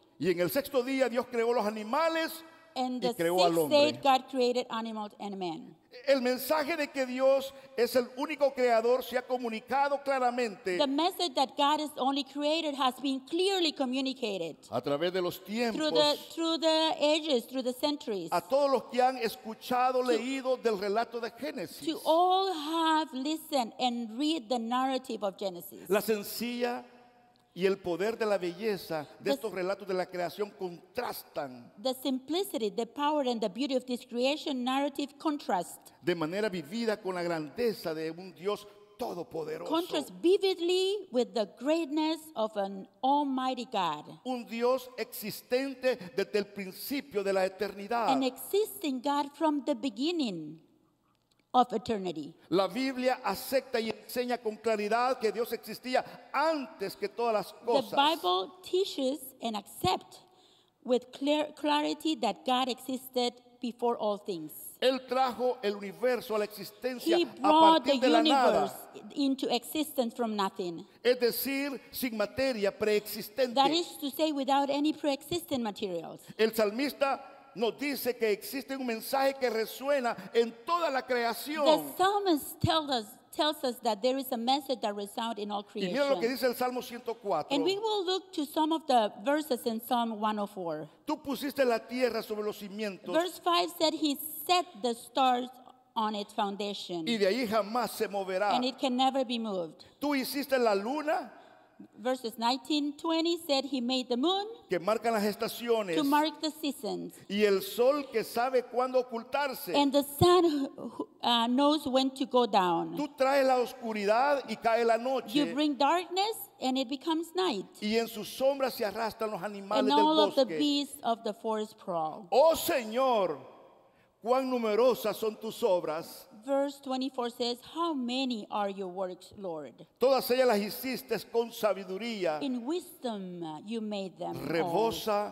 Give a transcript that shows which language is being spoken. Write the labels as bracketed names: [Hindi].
[Spanish] Y en el sexto día, Dios creó los animales. [English] And the sixth day, God created animals and men. [Spanish] El mensaje de que Dios es el único creador se ha comunicado claramente. [English] The message that God is only created has been clearly communicated. [Spanish] A través de los tiempos. [English] Through the ages, through the centuries. [Spanish] A todos los que han escuchado, leído del relato de Génesis. [English] To all have listened and read the narrative of Genesis. [Spanish] La sencilla y el poder de la belleza de estos relatos de la creación contrastan. [English] The simplicity, the power, and the beauty of this creation narrative contrast. [Spanish] De manera vivida con la grandeza de un Dios todopoderoso. [English] Contrast vividly with the greatness of an almighty God. [Spanish] Un Dios existente desde el principio de la eternidad. [English] An existing God from the beginning of eternity. [Spanish] La Biblia acepta y enseña con claridad que Dios existía antes que todas las cosas. [English] The Bible teaches and accepts with clarity that God existed before all things. [Spanish] Él trajo el universo a la existencia a partir de la nada. [English] He brought the universe into existence from nothing. [Spanish] Es decir, sin materia preexistente. [English] That is to say, without any preexistent materials. [Spanish] El salmista nos dice que existe un mensaje que resuena en toda la creación. [English] The psalmist tells us that there is a message that resounds in all creation. [Spanish] Y mira lo que dice el Salmo 104. [English] And we will look to some of the verses in Psalm 104. [Spanish] Tú pusiste la tierra sobre los cimientos. [English] Verse 5 said he set the stars on its foundation. [Spanish] Y de ahí jamás se moverá. [English] And it can never be moved. [Spanish] Tú hiciste la luna. [English] Verses 19-20 said he made the moon [Spanish] que marcan las estaciones, [English] to mark the seasons, [Spanish] y el sol que sabe cuándo ocultarse, [English] and the sun knows when to go down. [Spanish] Tú traes la oscuridad y cae la noche. [English] You bring darkness and it becomes night. [Spanish] Y en sus sombras se arrastran los animales [English] and [Spanish] del bosque. [English] And all of the beasts of the forest prowl. [Spanish] Oh Señor, cuán numerosas son tus obras. [English] Verse 24 says, how many are your works, Lord? [Spanish] Todas ellas las hiciste con sabiduría. [English] In wisdom you made them. [Spanish] Rebosa